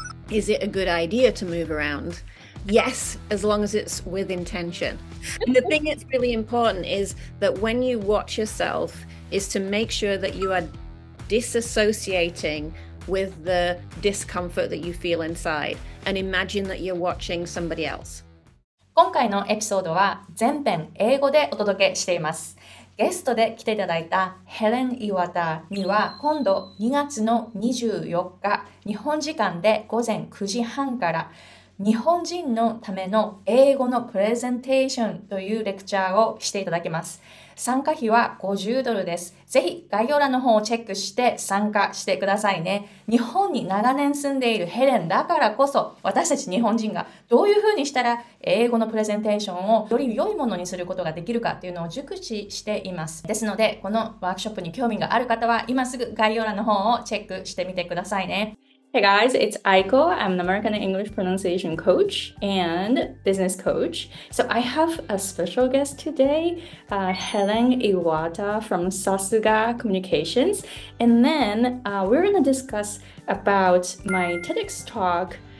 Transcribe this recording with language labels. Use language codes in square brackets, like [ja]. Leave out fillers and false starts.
[en] Is it a good idea to move around? Yes, as long as it's with intention. And the thing that's really important is that when you watch yourself, is to make sure that you are disassociating with the discomfort that you feel inside and imagine that you're watching somebody else. [ja] 今回のエピソードは全編英語でお届けしています。ゲストで来ていただいた Helen Iwataには今度2月の24日日本時間で午前9時半から日本人のための英語のプレゼンテーションというレクチャーをしていただきます。参加費は50ドルです。ぜひ概要欄の方をチェックして参加してくださいね。日本に長年住んでいるヘレンだからこそ、私たち日本人がどういうふうにしたら英語のプレゼンテーションをより良いものにすることができるかというのを熟知しています。ですので、このワークショップに興味がある方は今すぐ概要欄の方をチェックしてみてくださいね。 [en] Hey guys, it's Aiko. I'm an American English pronunciation coach and business coach. So I have a special guest today, Helen Iwata from Sasuga Communications. And then we're going to discuss about my TEDx talk.